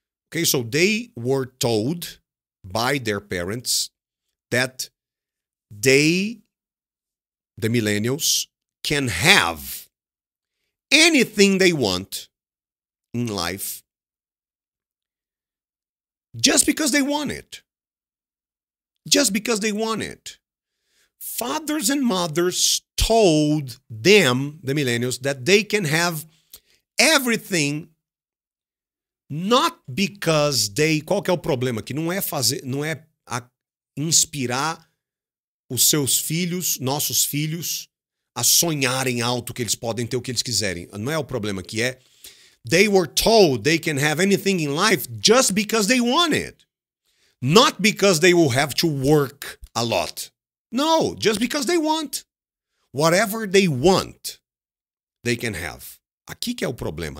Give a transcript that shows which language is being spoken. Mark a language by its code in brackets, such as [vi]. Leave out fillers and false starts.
[en] Okay, so they were told by their parents that they, the millennials, can have anything they want in life just because they want it. Just because they want it. Fathers and mothers told them, the millennials, that they can have everything not because they... [pt] Qual que é o problema aqui? Não é fazer, não é inspirar os seus filhos, nossos filhos, a sonharem alto, que eles podem ter o que eles quiserem. Não é o problema que é. [en] They were told they can have anything in life just because they want it. Not because they will have to work a lot. No, just because they want. Whatever they want, they can have. [pt] Aqui que é o problema.